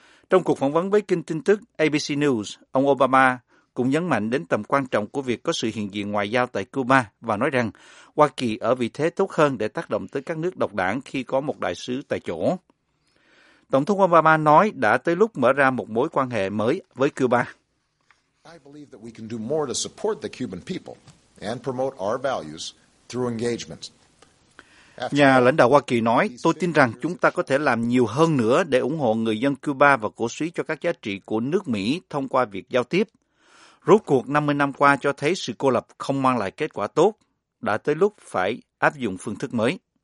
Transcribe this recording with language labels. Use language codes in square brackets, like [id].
[vi] Trong cuộc phỏng vấn với kênh tin tức ABC News, ông Obama cũng nhấn mạnh đến tầm quan trọng của việc có sự hiện diện ngoại giao tại Cuba và nói rằng Hoa Kỳ ở vị thế tốt hơn để tác động tới các nước độc đảng khi có một đại sứ tại chỗ. Tổng thống Obama nói đã tới lúc mở ra một mối quan hệ mới với Cuba. [en] I believe that we can do more to support the Cuban people and promote our values through engagement. [vi] Nhà lãnh đạo Hoa Kỳ nói, tôi tin rằng chúng ta có thể làm nhiều hơn nữa để ủng hộ người dân Cuba và cổ suý cho các giá trị của nước Mỹ thông qua việc giao tiếp. Rốt cuộc 50 năm qua cho thấy sự cô lập không mang lại kết quả tốt, đã tới lúc phải áp dụng phương thức mới.